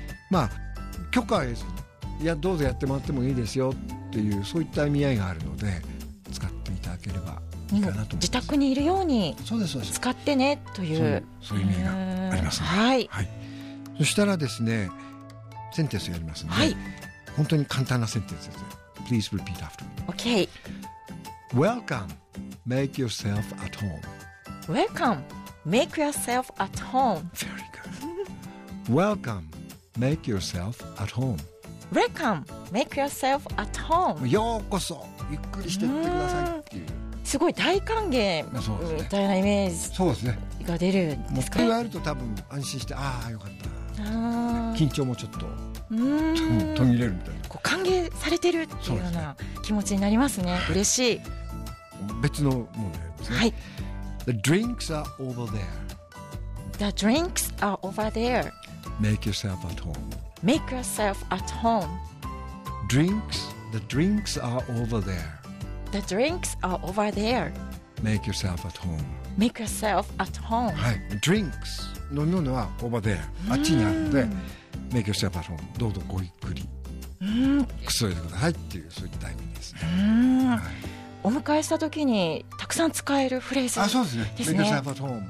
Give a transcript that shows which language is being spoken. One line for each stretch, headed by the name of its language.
Japanese: まあ許可は得ずにいやどうぞやってもらってもいいですよっていうそういった意味合いがあるので使っていただければいいかなと思います。自宅にいるようにそうですそうです使ってねというそういう意味があります、ねはいはい、そしたらですねセンテンスやりますので、はい、本当に簡単なセンテンスです。
English: Please repeat after me. OK. Welcome, make yourself at home. Welcome, make yourself at home. Very good. Welcome, make yourself at home Welcome, make yourself at home.
Japanese: ようこそゆっくりしてってくださいっていう。すごい大歓迎みたいなイメージが出るんですか。そうですね。そう加えると多分安心してああよかったあ緊張もちょっとうん途切れるみたいなこう歓迎されてるっていうような気持ちになりますね。嬉しい、はい、別のものですね、はい、
English: The drinks are over there. The drinks are over there. Make yourself at home Make yourself at home. Drinks. The drinks are over there. The drinks are over there. Make yourself at home. Make yourself at home. はい。Drinks.
Japanese: 飲み物は
English: over there.
Japanese: あっちにあるので、
English: Make yourself at home.
Japanese: どうぞごゆっくり。くつろいでください。っていう、そういった意味ですね。お迎えした時にたくさん使えるフレーズ。あ、そうですね。
English: Make yourself at home.